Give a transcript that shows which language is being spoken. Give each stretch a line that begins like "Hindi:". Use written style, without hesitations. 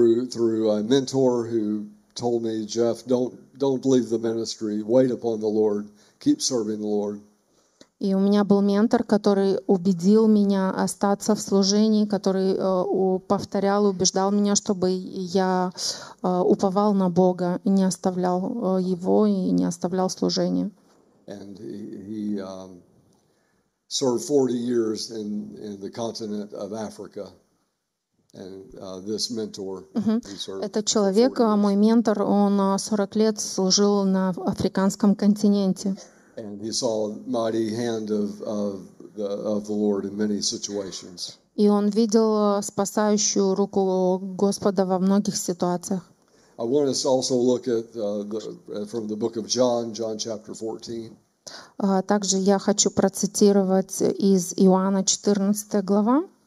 English: Through a mentor who told me, Jeff, don't leave the ministry, wait upon the Lord, keep serving the Lord.
Russian: И у меня был ментор, который убедил меня остаться в служении, который повторял, убеждал меня, чтобы я уповал на Бога, и не оставлял его и не оставлял служение.
English: And he served 40 years in the continent of Africa. And this mentor,
Russian: этот человек, мой ментор, он 40 лет служил на африканском континенте.
English: And he saw the mighty hand of the Lord in many situations.
Russian: И он видел спасающую руку Господа во многих ситуациях.
English: I want us to also look at from the book of John, John chapter 14.
Russian: Также я хочу процитировать из Иоанна 14 глава.